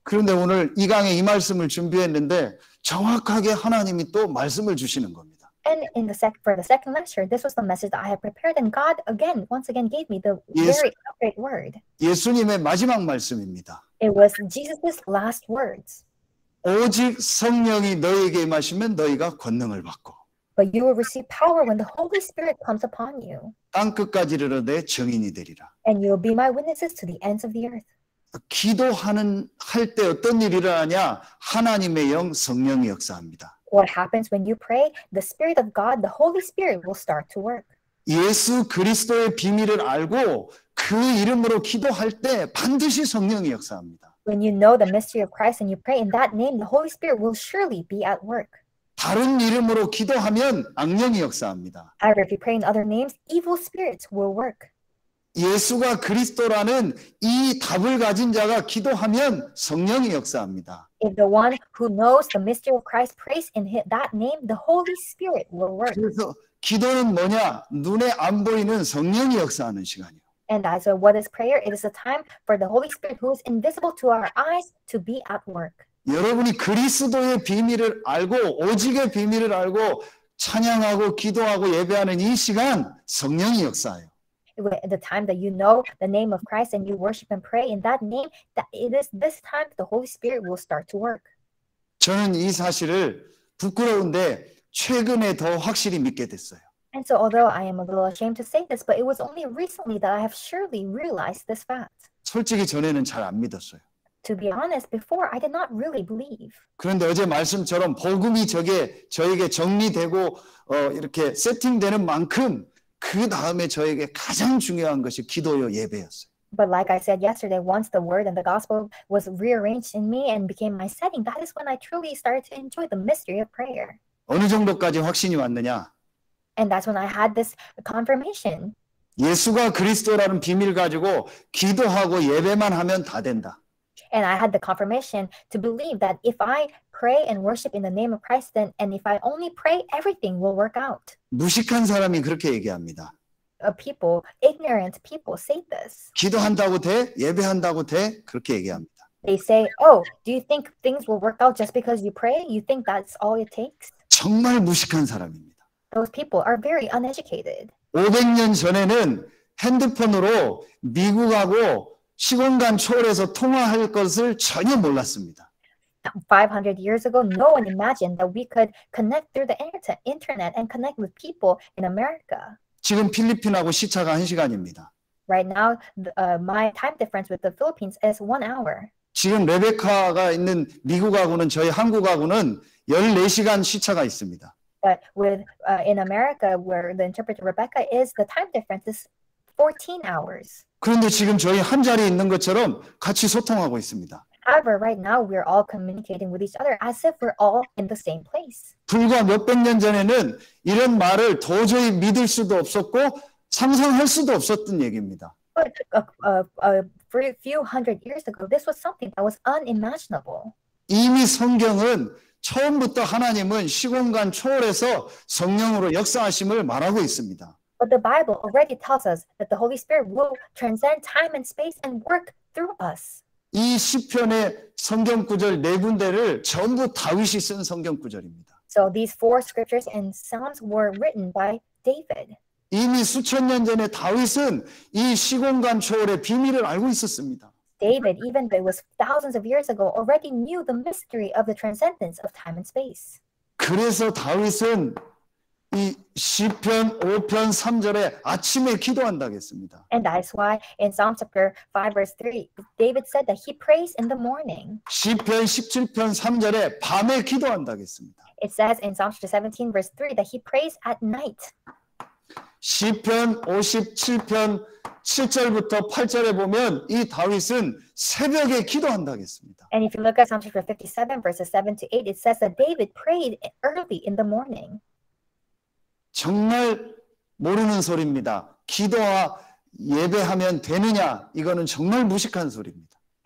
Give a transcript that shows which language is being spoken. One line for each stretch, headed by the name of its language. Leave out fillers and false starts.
Korean: 그런데 오늘 이 강의 이 말씀을 준비했는데 정확하게 하나님이 또 말씀을 주시는 겁니다.
English: And for the second lecture, this was the message that I had prepared and God again, once again gave me the very great word.
Korean: 예수님의 마지막 말씀입니다.
English: It was Jesus' last words.
Korean: 오직 성령이 너희에게 임하시면 너희가 권능을 받고
English: But you will receive power when the Holy Spirit comes upon you.
Korean: 땅 끝까지로 내 증인이 되리라.
English: And you will be my witnesses to the ends of the earth.
Korean: 기도하는 할 때 어떤 일이 일어나냐? 하나님의 영 성령이 역사합니다.
English: What happens when you pray? The Spirit of God, the Holy Spirit will start to work.
Korean: 예수 그리스도의 비밀을 알고 그 이름으로 기도할 때 반드시 성령이 역사합니다.
English: When you know the mystery of Christ and you pray in that name, the Holy Spirit will surely be at work.
Korean: 다른 이름으로 기도하면 악령이 역사합니다.
English: However, if you pray in other names, evil spirits will work.
Korean: 예수가 그리스도라는 이 답을 가진 자가 기도하면 성령이 역사합니다.
English: If the one who knows the mystery of Christ prays in that name, the Holy Spirit will work.
Korean: 그래서 기도는 뭐냐? 눈에 안 보이는 성령이 역사하는 시간이요.
English: And as well, what is prayer? It is a time for the Holy Spirit who is invisible to our eyes to be at work.
Korean: 여러분이 그리스도의 비밀을 알고 오직의 비밀을 알고 찬양하고 기도하고 예배하는 이 시간 성령이 역사해요.
English: The time that you know the name of Christ and you worship and pray in that name, that it is this time the Holy Spirit will start to work.
Korean: 저는 이 사실을 부끄러운데 최근에 더 확실히 믿게 됐어요.
English: And so although I am a little ashamed to say this, but it was only recently that I have surely realized this fact.
Korean: 솔직히 전에는 잘 안 믿었어요.
English: To be honest, before I did not really believe.
Korean: 그런데 어제 말씀처럼 복음이 저게 저에게 정리되고 이렇게 세팅되는 만큼 그 다음에 저에게 가장 중요한 것이 기도요 예배였어요.
English: But like I said yesterday, once the word and the gospel was rearranged in me and became my setting, that is when I truly started to enjoy the mystery of prayer.
Korean: 어느 정도까지 확신이 왔느냐?
English: And that's when I had this confirmation.
Korean: 예수가 그리스도라는 비밀 가지고 기도하고 예배만 하면 다 된다.
English: And I had the confirmation to believe that if I pray and worship in the name of Christ, then and if I only pray, everything will work out.
Korean: 무식한 사람이 그렇게 얘기합니다.
English: Ignorant people say this.
Korean: 기도한다고 돼? 예배한다고 돼? 그렇게 얘기합니다.
English: They say, oh, do you think things will work out just because you pray? You think that's all it takes?
Korean: 정말 무식한 사람입니다.
English: Those people are very uneducated.
Korean: 500년 전에는 핸드폰으로 미국하고 시공 간 초월해서 통화할 것을 전혀 몰랐습니다.
English: 500 years ago, no one imagined that we could connect through the internet and connect with people in America.
Korean: 지금 필리핀하고 시차가 1시간입니다.
English: Right now, my time difference with the Philippines is 1 hour.
Korean: 지금 레베카가 있는 미국하고는 저희 한국하고는 14시간 시차가 있습니다.
English: But with in America, where the interpreter Rebecca is, the time difference is 14 hours.
Korean: 그런데 지금 저희 한 자리에 있는 것처럼 같이 소통하고 있습니다.
English: However, right now we're all communicating with each other as if we're all in the same place.
Korean: 불과 몇백 년 전에는 이런 말을 도저히 믿을 수도 없었고 상상할 수도 없었던 얘기입니다.
English: But for a few hundred years ago, this was something that was unimaginable.
Korean: 이미 성경은 처음부터 하나님은 시공간 초월해서 성령으로 역사하심을 말하고 있습니다.
English: But the Bible already tells us that the Holy Spirit will transcend time and space and work through us.
Korean: 이 시편의 성경 구절 네 군데를 전부 다윗이 쓴 성경 구절입니다.
English: So these four scriptures and Psalms were written by David.
Korean: 이미 수천 년 전에 다윗은 이 시공간 초월의 비밀을 알고 있었습니다.
English: David, even though it was thousands of years ago, already knew the mystery of the transcendence of time and space.
Korean: 그래서 다윗은 이 시편 5편 3절에 아침에 기도한다 했습니다.
English: And that's why in Psalm chapter 5 verse 3, David said that he prays in the morning.
Korean: 시편 17편 3절에 밤에 기도한다 했습니다.
English: It says in Psalm chapter 17 verse 3 that he prays at night.
Korean: 시편 57편 7절부터 8절에 보면 이 다윗은 새벽에 기도한다 했습니다.
English: And if you look at Psalm chapter 57 verses 7 to 8, it says that David prayed early in the morning.
Korean: 정말 모르는 소리입니다. 기도와 예배하면 되느냐? 이거는 정말 무식한 소리입니다.